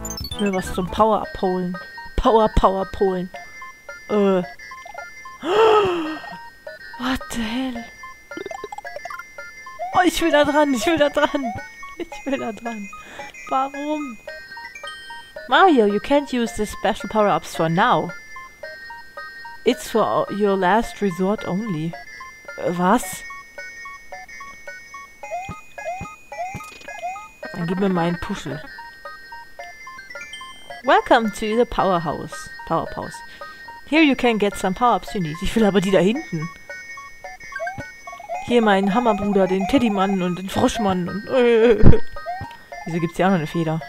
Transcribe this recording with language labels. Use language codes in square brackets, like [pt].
[de] Ich will was zum Power-Up holen. Power-Power-Up holen. [en] What the hell? [de] Oh, ich will da dran, ich will da dran. Ich will da dran. Warum? [en] Mario, you can't use the special power-ups for now. It's for your last resort only. [de] Was? Dann gib mir meinen Puschel. [en] Welcome to the powerhouse. Powerhouse. Here you can get some power-ups you need. [de] Ich will aber die da hinten. Hier meinen Hammerbruder, den Teddymann und den Froschmann und. Wieso gibt's hier auch noch eine Feder?